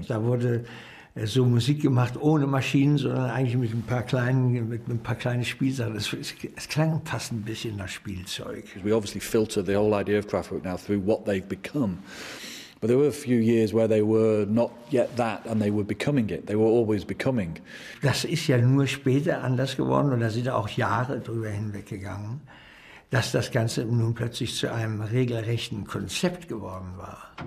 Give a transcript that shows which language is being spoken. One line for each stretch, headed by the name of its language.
German: Da wurde so Musik gemacht ohne Maschinen, sondern eigentlich mit ein paar kleinen Spielsachen. Es klang fast ein bisschen nach Spielzeug.
English: We obviously filter the whole idea of Kraftwerk now through what they've become. But there were a few years where they were not yet that and they were becoming it. They were always becoming.
German: Das ist ja nur später anders geworden und da sind auch Jahre drüber hinweggegangen. Dass das Ganze nun plötzlich zu einem regelrechten Konzept geworden war.